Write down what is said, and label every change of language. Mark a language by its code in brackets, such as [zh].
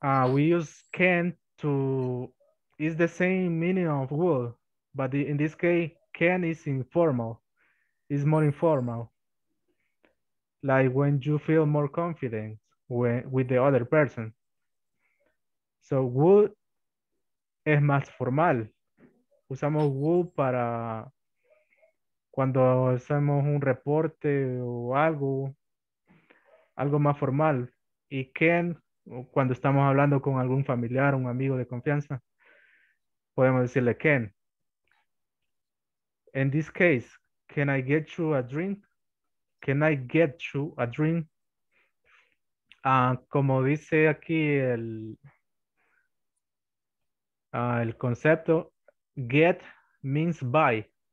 [en] We use can to, is the same meaning of will, but in this case, can is informal, is more informal. Like when you feel more confident with the other person. [es] So will es más formal. Usamos will para cuando hacemos un reporte o algo, algo más formal. Y can, cuando estamos hablando con algún familiar, un amigo de confianza, podemos decirle can. [en] In this case, can I get you a drink? Can I get you a drink? [es] Como dice aquí el concepto, [en] get means buy.